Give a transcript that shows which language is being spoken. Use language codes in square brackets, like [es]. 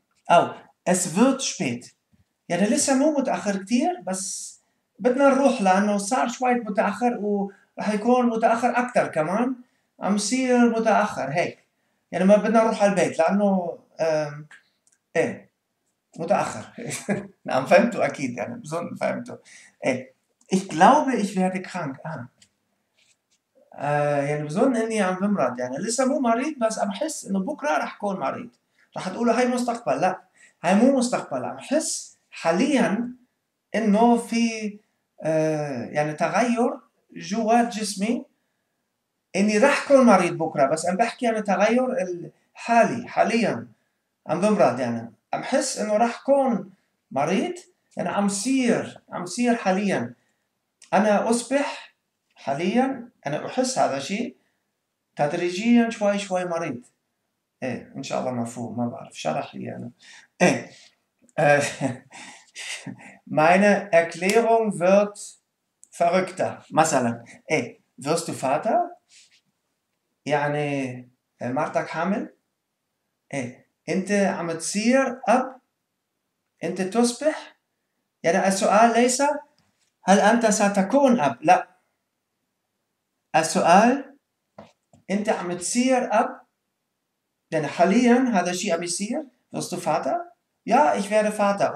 [ar] او [de] es wird spät، [ar] يعني لسه مو متأخر كتير، بس بدنا نروح لأنه صار شوي متأخر ورح يكون متأخر أكتر كمان، عم يصير متأخر هيك، يعني ما بدنا نروح على البيت لأنه ايه متأخر. نعم فهمتوا أكيد، يعني بظن فهمتوا. ايه [de] ich glaube ich werde krank. [ar] يعني بظن إني عم بمرض، يعني لسه مو مريض بس عم حس إنه بكرة رح أكون مريض. رح تقولوا هاي مستقبل، لا هاي مو مستقبل، عم حس حاليا إنه في يعني تغير جوا جسمي، إني رح أكون مريض بكرة، بس عم بحكي عن التغير الحالي، حاليا عم بمرض، يعني عم حس إنه رح أكون مريض، يعني عم صير حاليا. أنا أصبح حاليا، أنا أحس هذا الشيء تدريجيا شوي شوي مريض. إيه إن شاء الله مفهوم، ما بعرف شرح لي أنا. إيه [de] meine Erklärung wird verrückter. [ar] مثلا إيه [de] wirst du Vater؟ [ar] يعني مرتك حامل؟ إيه أنت عم تصير أب؟ أنت تصبح؟ يعني السؤال ليس هل أنت ستكون أب؟ لا، السؤال أنت عم تصير أب؟ يعني حالياً هذا الشيء عم يصير؟ [de] wirst du Vater؟ Ja, ich werde Vater.